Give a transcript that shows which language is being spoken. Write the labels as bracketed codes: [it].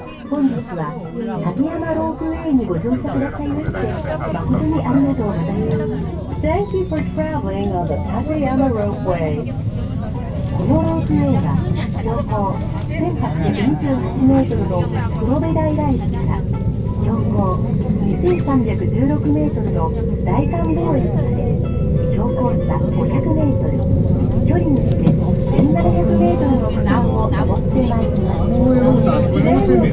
[ja] 本日は滝山ロープウェイにご乗車くださいまして誠にありがとうございます。 [en] Thank you for traveling on the 滝山ロープウェイ。 [ja] このロープウェイは標高1828メートルの黒部平駅から標高2316メートルの大観望駅まで標高差500メートル、距離にして1700メートルの区間を登ってまいります。